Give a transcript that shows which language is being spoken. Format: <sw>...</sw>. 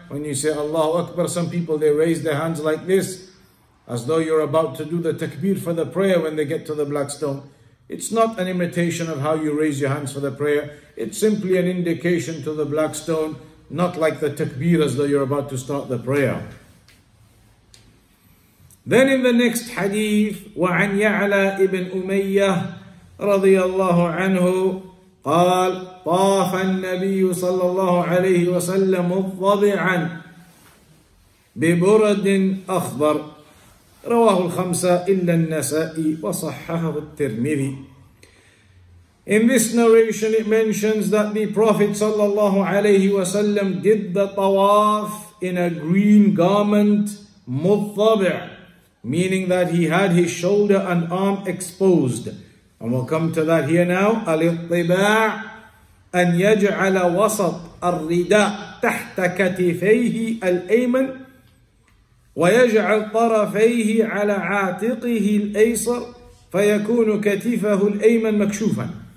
<en>When you say Allahu Akbar, some people they raise their hands like this, as though you're about to do the takbir for the prayer when they get to the black stone. It's not an imitation of how you raise your hands for the prayer. It's simply an indication to the black stone, not like the takbir as though you're about to start the prayer. Then in the next hadith,</en> <ar>وَعَنْ يَعْلَى ibn أُمَيَّةِ رَضِيَ اللَّهُ عَنْهُ قَالْ طَافَ النَّبِيُّ صَلَّى اللَّهُ عَلَيْهِ وَسَلَّمُ الضَّبِعًا بِبُرَدٍ أَخْضَرٍ رواه الخمسة إلا النسائي وصححه الترمذي.</ar> <en>In this narration it mentions that the Prophet sallallahu alayhi wa sallam did the tawaf in a green garment, muttabi', meaning that he had his shoulder and arm exposed. And we'll come to that here now.</en> <ar>Al-ittiba' an yaj'ala wasat ar-rida' tahta katifayhi al-ayman ويجعل طرفيه على عاتقه الأيسر فيكون كتفه الأيمن مكشوفا.</ar>